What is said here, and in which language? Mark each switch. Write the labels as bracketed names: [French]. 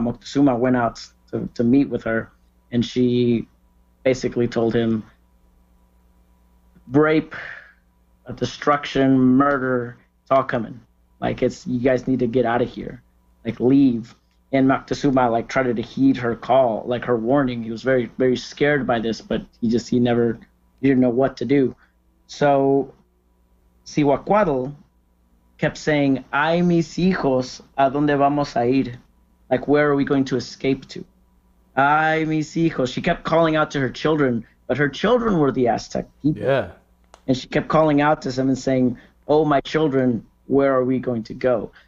[English] Moctezuma went out to meet with her, and she basically told him, "Rape, destruction, murder, it's all coming. Like, it's you guys need to get out of here. Like, leave." And Moctezuma like tried to heed her call, like her warning. He was very, very scared by this, but he didn't know what to do. So Cihuacuatl kept saying, [Spanish] "Ay, mis hijos, ¿a dónde vamos a ir?" [English] Like, where are we going to escape to? [Spanish] "Ay, mis hijos." [English] She kept calling out to her children, but her children were the Aztec people. Yeah. And she kept calling out to them and saying, "Oh, my children, where are we going to go?"